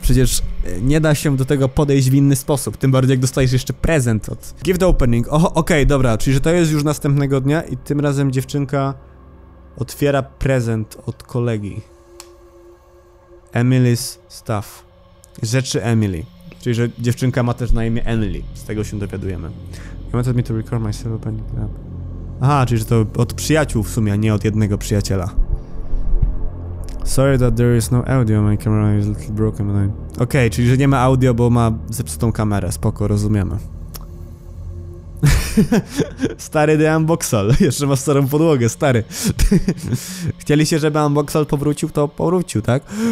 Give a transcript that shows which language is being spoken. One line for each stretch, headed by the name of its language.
Polish: Przecież nie da się do tego podejść w inny sposób. Tym bardziej jak dostajesz jeszcze prezent od...
English: Give the opening.
Polish: Oho, okej, dobra, czyli że to jest już następnego dnia i tym razem dziewczynka... Otwiera prezent od kolegi.
English: Emily's stuff.
Polish: Rzeczy Emily. Czyli, że dziewczynka ma też na imię Emily. Z tego się dowiadujemy.
English: You wanted me to record myself opening it up.
Polish: Aha, czyli, że to od przyjaciół w sumie, a nie od jednego przyjaciela.
English: Sorry that there is no audio, my camera is a little broken. But I...
Polish: Okej, czyli, że nie ma audio, bo ma zepsutą kamerę. Spoko, rozumiemy. Stary The Unboxal. Jeszcze ma starą podłogę, stary. Chcieliście, żeby Unboxal powrócił, to powrócił, tak?